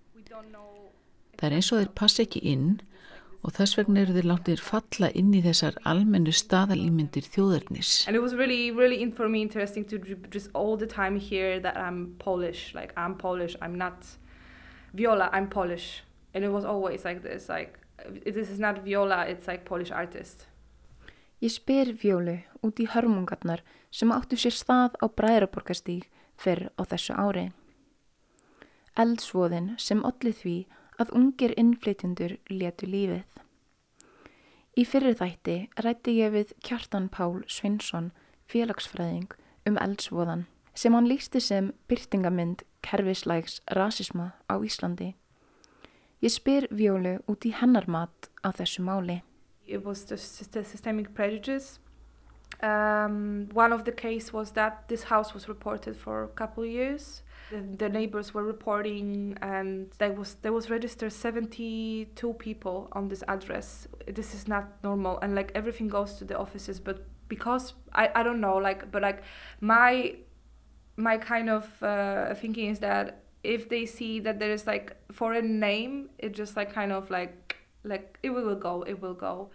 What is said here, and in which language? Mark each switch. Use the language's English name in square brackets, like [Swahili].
[Icelandic] Það er eins og þeir passa ekki inn og þess vegna eru þeir látið falla inn í þessar almennu staðalímyndir þjóðernis. [English] And it was really, really for me interesting to just all the time hear that I'm Polish, like I'm Polish, I'm not Viola, I'm Polish. And it was always like this, like, this is not Viola, it's like Polish artist. [Icelandic] Ég spyr Violu út í hörmungarnar sem áttu sér stað á Bræðraborgarstíg fyrr á þessu ári. Eldsvoðin sem olli því að ungir innflytjendur létu lífið. Í fyrri þætti ræddi ég við Kjartan Pál Sveinsson, félagsfræðing, eldsvoðan sem hann lýsti sem birtingamynd kerfislægs rasisma á Íslandi. Ég spyr Violu út í hennar mat á þessu máli. [English] It was just systemic prejudice. One of the case was that this house was reported for a couple of years. The neighbors were reporting and there was registered 72 people on this address. This is not normal and like everything goes to the offices, but because I don't know, like, but like my kind of thinking is that if they see that there is like foreign name, it just like kind of like it will go.